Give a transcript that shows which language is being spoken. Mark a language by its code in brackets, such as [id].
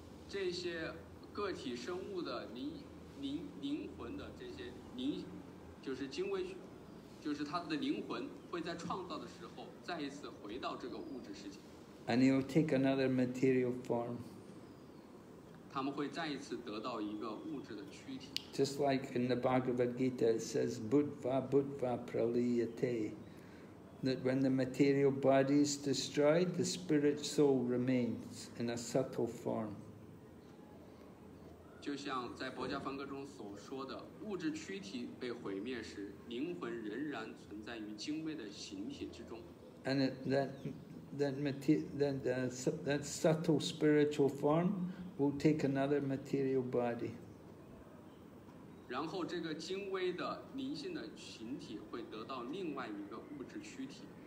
[zh] 这些个体生物的灵魂的这些灵，就是精微，就是他的灵魂会在创造的时候再一次回到这个物质世界。 [en] And he will take another material form. [zh] 他们会再一次得到一个物质的躯体。 [en] Just like in the Bhagavad Gita, it says, [sa] "Bhutva, bhutva, praliyate," [en] that when the material body is destroyed, the spirit soul remains in a subtle form. [zh] 就像在《博伽梵歌》中所说的，物质躯体被毁灭时，灵魂仍然存在于精微的形体之中。 [en] And that subtle spiritual form will take another material body. [zh] 然后这个精微的灵性的形体会得到另外一个物质躯体。